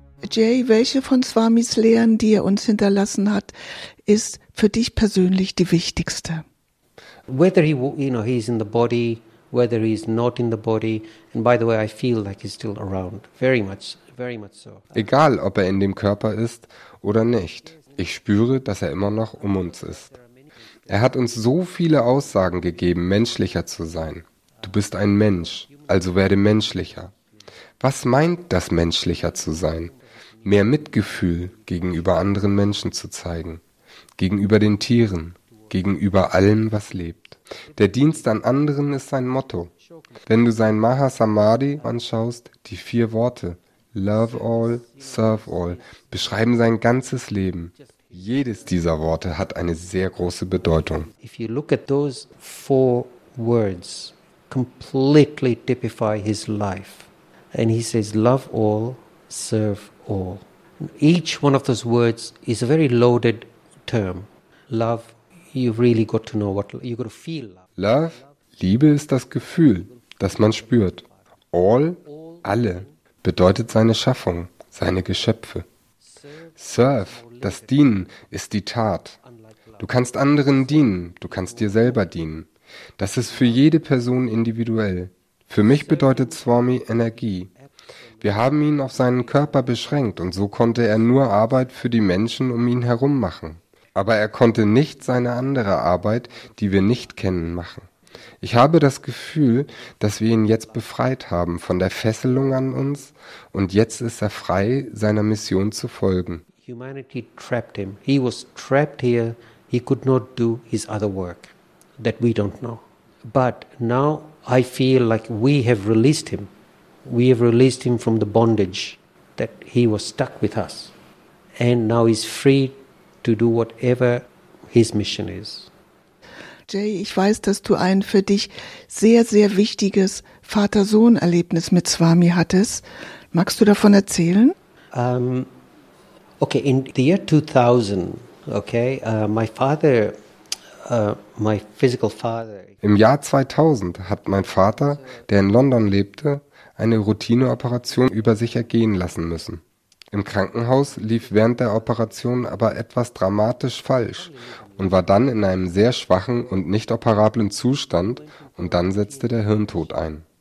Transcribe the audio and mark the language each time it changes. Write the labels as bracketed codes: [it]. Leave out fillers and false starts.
[de] Jay, welche von Swamis Lehren, die er uns hinterlassen hat, ist für dich persönlich die wichtigste? [en] Whether he, you know, he's in the body, whether he's not in the body, and by the way, I feel like he's still around, very much so. [de] Egal, ob er in dem Körper ist oder nicht, ich spüre, dass er immer noch um uns ist. Er hat uns so viele Aussagen gegeben, menschlicher zu sein. Du bist ein Mensch, also werde menschlicher. Was meint das, menschlicher zu sein? Mehr Mitgefühl gegenüber anderen Menschen zu zeigen, gegenüber den Tieren, gegenüber allem, was lebt. Der Dienst an anderen ist sein Motto. Wenn du sein Mahasamadhi anschaust, die 4 Worte, [en] Love All, Serve All, [de] beschreiben sein ganzes Leben. Jedes dieser Worte hat eine sehr große Bedeutung. [en] If you look at those 4 words, completely typify his life. And he says, Love All, Serve All. Each one of those words is a very loaded term. Love, you've really got to know what you got to feel. [de] Love, Liebe ist das Gefühl, das man spürt. All, alle, bedeutet seine Schaffung, seine Geschöpfe. Serve, das Dienen, ist die Tat. Du kannst anderen dienen, du kannst dir selber dienen. Das ist für jede Person individuell. Für mich bedeutet Swami Energie. Wir haben ihn auf seinen Körper beschränkt und so konnte er nur Arbeit für die Menschen um ihn herum machen. Aber er konnte nicht seine andere Arbeit, die wir nicht kennen, machen. Ich habe das Gefühl, dass wir ihn jetzt befreit haben von der Fesselung an uns und jetzt ist er frei, seiner Mission zu folgen. [en] Humanity trapped him. He was trapped here. He could not do his other work that we don't know. But now I feel like we have released him. We have released him from the bondage that he was stuck with us. And now he's free to do whatever his mission is. [de] Jay, ich weiß, dass du ein für dich sehr, sehr wichtiges Vater-Sohn-Erlebnis mit Swami hattest. Magst du davon erzählen? [en] Okay, in the year 2000, okay, my physical father... [de] Im Jahr 2000 hat mein Vater, der in London lebte, eine Routineoperation über sich ergehen lassen müssen. Im Krankenhaus lief während der Operation aber etwas dramatisch falsch und war dann in einem sehr schwachen und nicht operablen Zustand und dann setzte der Hirntod ein.